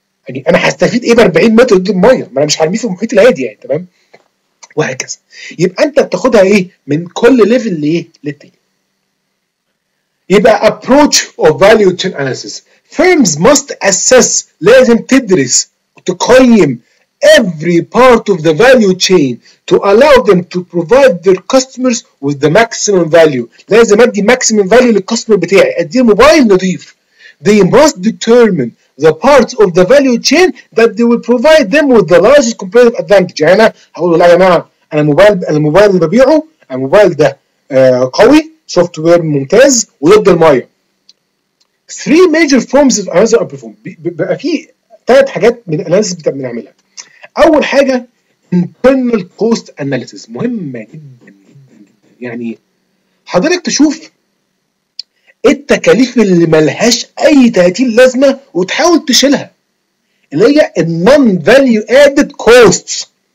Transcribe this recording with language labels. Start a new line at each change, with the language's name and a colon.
Arabic: يعني انا هستفيد ايه ب 40 متر ضد المايه؟ ما انا مش هرميه في المحيط العادي يعني، تمام؟ وهكذا. يبقى انت بتاخدها ايه؟ من كل ليفل لايه؟ للتاني. يبقى
English: ابروتش اوف فاليو تشين اناليسيس. فيرمز ماست اسس،
Arabic: لازم تدرس وتقيم
English: every part of the value chain to allow them to provide their customers with the maximum value.
Arabic: لازم ادي maximum value للكاستمر بتاعي، ادي موبايل نظيف.
English: They must determine the parts of the value chain that they will provide them with the largest competitive advantage.
Arabic: يعني انا هقول لا يا جماعه، انا موبايل، الموبايل اللي ببيعه الموبايل ده قوي، سوفت وير ممتاز وضد المايه.
English: Three major forms of analysis are performed.
Arabic: بيبقى في ثلاث حاجات من الاناليسيس بنعملها. اول حاجه internal cost analysis، مهمه جدا جدا جدا. يعني حضرتك تشوف التكاليف اللي ملهاش اي تأتيل لازمه وتحاول تشيلها، اللي هي النون فاليو ادد كوستس.